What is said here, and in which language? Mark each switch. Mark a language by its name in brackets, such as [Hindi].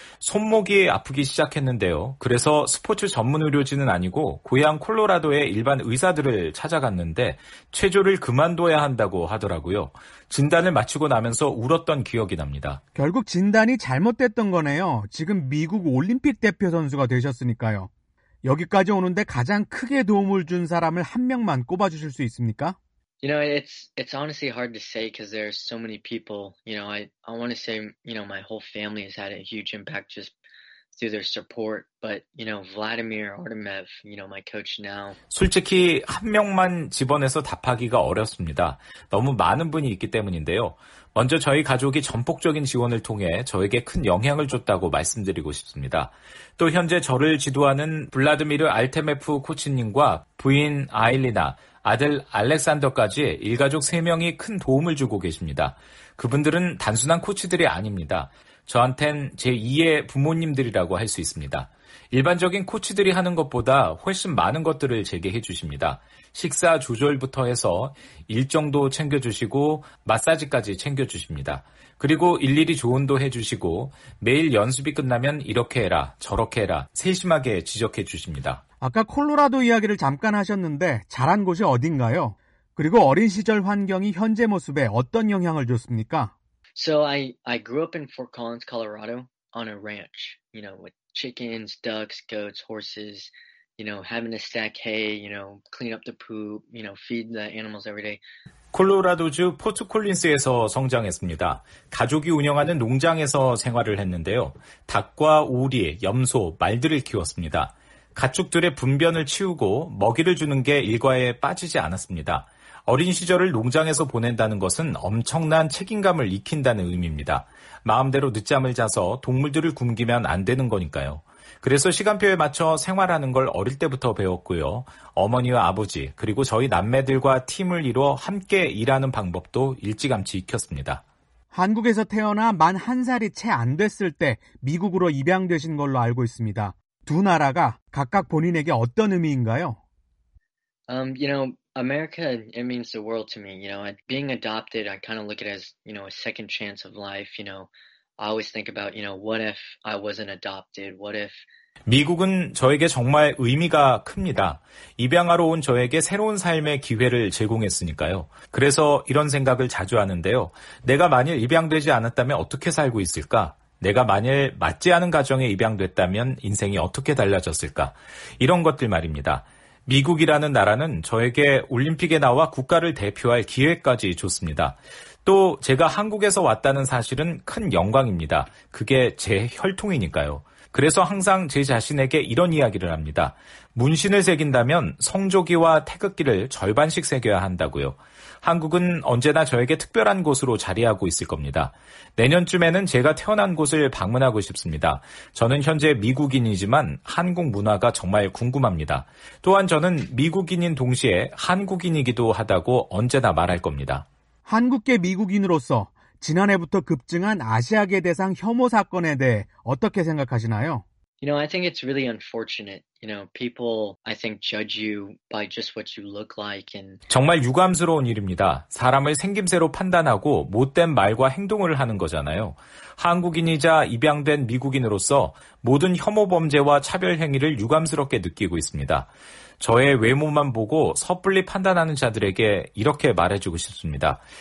[Korean] 손목이 아프기 시작했는데요. 그래서 스포츠 전문 의료진은 아니고 고향 콜로라도의 일반 의사들을 찾아갔는데 체조를 그만둬야 한다고 하더라고요. 진단을 마치고 나면서 울었던 기억이 납니다. 결국 진단이 잘못됐던 거네요. 지금 미국 올림픽 대표 선수가 되셨으니까요. 여기까지 오는데 가장 크게 도움을 준 사람을 한 명만 꼽아주실 수 있습니까? [English] You know, it's honestly hard to say because there are so many people. You know, I want to say, you know, my whole family has had a huge impact just through their support. But, you know, Vladimir Artemev, you know, my coach now. [Korean] 솔직히 한 명만 집어내서 답하기가 어렵습니다. 너무 많은 분이 있기 때문인데요. 먼저 저희 가족이 전폭적인 지원을 통해 저에게 큰 영향을 줬다고 말씀드리고 싶습니다. 또 현재 저를 지도하는 블라드미르 알테메프 코치님과 부인 아일리나, 아들 알렉산더까지 일가족 3명이 큰 도움을 주고 계십니다. 그분들은 단순한 코치들이 아닙니다. 저한텐 제2의 부모님들이라고 할 수 있습니다. 일반적인 코치들이 하는 것보다 훨씬 많은 것들을 제게 해주십니다. 식사 조절부터 해서 일정도 챙겨주시고 마사지까지 챙겨주십니다. 그리고 일일이 조언도 해주시고 매일 연습이 끝나면 이렇게 해라 저렇게 해라 세심하게 지적해 주십니다. 아까 콜로라도 이야기를 잠깐 하셨는데 잘한 곳이 어딘가요? 그리고 어린 시절 환경이 현재 모습에 어떤 영향을 줬습니까? [English] So I grew up in Fort Collins, Colorado on a ranch, you know, with chickens, ducks, goats, horses, you know, having to stack hay, you know, clean up the poop, you know, feed the animals every day. [Korean] 콜로라도주 포트콜린스에서 성장했습니다. 가족이 운영하는 농장에서 생활을 했는데요. 닭과 오리, 염소, 말들을 키웠습니다. 가축들의 분변을 치우고 먹이를 주는 게 일과에 빠지지 않았습니다. 어린 시절을 농장에서 보낸다는 것은 엄청난 책임감을 익힌다는 의미입니다. 마음대로 늦잠을 자서 동물들을 굶기면 안 되는 거니까요. 그래서 시간표에 맞춰 생활하는 걸 어릴 때부터 배웠고요. 어머니와 아버지 그리고 저희 남매들과 팀을 이뤄 함께 일하는 방법도 일찌감치 익혔습니다. 한국에서 태어나 만 한 살이 채 안 됐을 때 미국으로 입양되신 걸로 알고 있습니다. 두 나라가 각각 본인에게 어떤 의미인가요? [English] You know, America, it means the world to me. You know, being adopted, I kind of look at it as, you know, a second chance of life. You know, I always think about, you know, what if I wasn't adopted? What if? [Korean] 미국은 저에게 정말 의미가 큽니다. 입양하러 온 저에게 새로운 삶의 기회를 제공했으니까요. 그래서 이런 생각을 자주 하는데요. 내가 만일 입양되지 않았다면 어떻게 살고 있을까? 내가 만일 맞지 않은 가정에 입양됐다면 인생이 어떻게 달라졌을까? 이런 것들 말입니다. 미국이라는 나라는 저에게 올림픽에 나와 국가를 대표할 기회까지 줬습니다. 또 제가 한국에서 왔다는 사실은 큰 영광입니다. 그게 제 혈통이니까요. 그래서 항상 제 자신에게 이런 이야기를 합니다. 문신을 새긴다면 성조기와 태극기를 절반씩 새겨야 한다고요. 한국은 언제나 저에게 특별한 곳으로 자리하고 있을 겁니다. 내년쯤에는 제가 태어난 곳을 방문하고 싶습니다. 저는 현재 미국인이지만 한국 문화가 정말 궁금합니다. 또한 저는 미국인인 동시에 한국인이기도 하다고 언제나 말할 겁니다. 한국계 미국인으로서 지난해부터 급증한 아시아계 대상 혐오 사건에 대해 어떻게 생각하시나요? [English] You know, I think it's really unfortunate. You know, people, I think, judge you by just what you look like. And [Korean] 정말 유감스러운 일입니다. 사람을 생김새로 판단하고 못된 말과 행동을 하는 거잖아요. 한국인이자 입양된 미국인으로서 모든 혐오 범죄와 차별 행위를 유감스럽게 느끼고 있습니다. 저의 외모만 보고 섣불리 판단하는 자들에게 이렇게 말해주고 싶습니다.